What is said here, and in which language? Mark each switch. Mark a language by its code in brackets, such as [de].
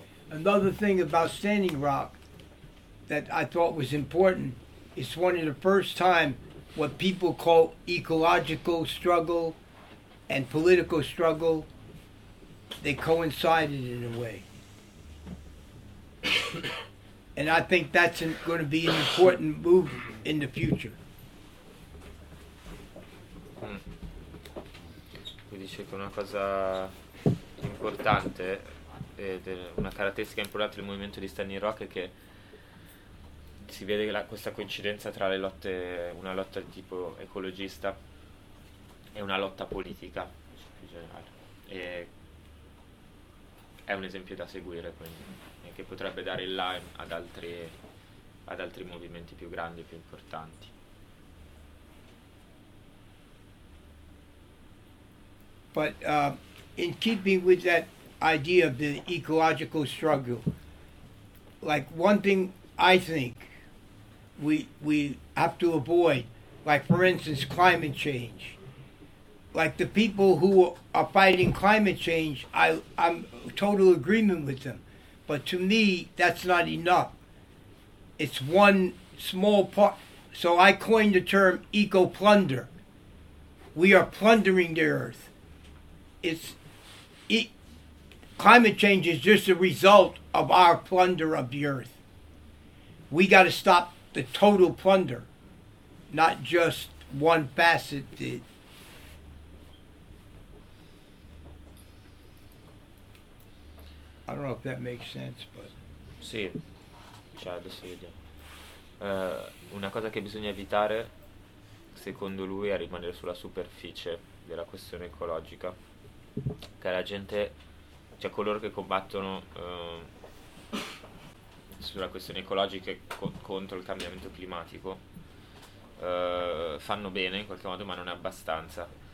[en] Another thing about Standing Rock that I thought was important is one of the first time what people call ecological struggle and political struggle, they coincided in a way. And I think that's going to be an important move in the future. [it] Mi dice che una cosa importante, una caratteristica importante del movimento di Standing Rock è che si vede questa coincidenza tra le lotte, una lotta di tipo ecologista è una lotta politica più generale, e è un esempio da seguire quindi, e che potrebbe dare il là ad altri ad altri movimenti più grandi e più importanti. [en] But in keeping with that idea of the ecological struggle, like one thing I think we have to avoid, like for instance climate change. Like the people who are fighting climate change, I'm total agreement with them. But to me, that's not enough. It's one small part. So I coined the term eco-plunder. We are plundering the earth. Climate change is just a result of our plunder of the earth. We got to stop the total plunder, not just one facet. I don't know if that makes sense, but... [it] Sì, c'è la decisione. Una cosa che bisogna evitare, secondo lui, è rimanere sulla superficie della questione ecologica. Che la gente, cioè coloro che combattono sulla questione ecologica contro il cambiamento climatico, fanno bene in qualche modo, ma non è abbastanza.